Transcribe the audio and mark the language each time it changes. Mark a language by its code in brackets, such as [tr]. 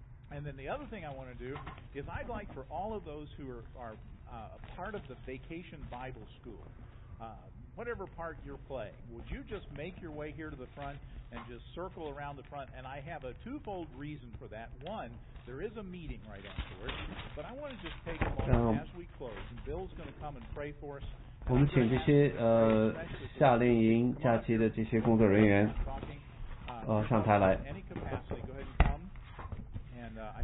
[en] And then the other thing I want to do is I'd like for all of those who are a part of the Vacation Bible School, whatever part you're playing, would you just make your way here to the front and just circle around the front? And I have a twofold reason for that. One, there is a meeting right afterwards, but I want to just take a moment as we close, and Bill's going to come and pray for us. [zh] 我们请这些夏令营假期的这些工作人员上台来。 [en] Any capacity, go ahead and come. And